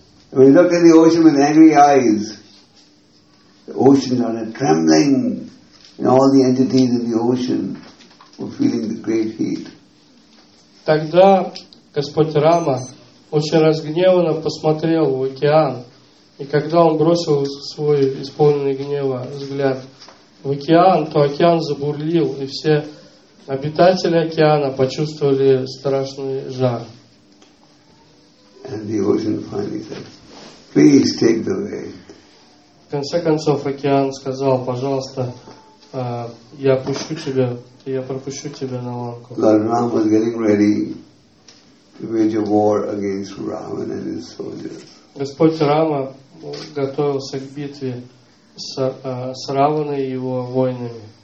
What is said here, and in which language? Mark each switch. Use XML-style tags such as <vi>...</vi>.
<en>When he looked at the ocean with angry eyes, the ocean started trembling, and all the entities in the ocean were feeling the great heat.</en> <ru>Тогда Господь Рама очень разгневанно посмотрел в океан, и когда он бросил свой исполненный гнева взгляд в океан, то океан забурлил, и все обитатели океана почувствовали страшный жар.</ru> <en>And the ocean finally said, "Please take the way."</en> <ru>В конце концов океан сказал: "Пожалуйста, я пущу тебя, я пропущу тебя на лодку."</ru> <en>Lord Ram was getting ready to wage a war against Ravan and his soldiers.</en> <ru>Господь Рама готовился к битве с Раваной и его воинами.</ru>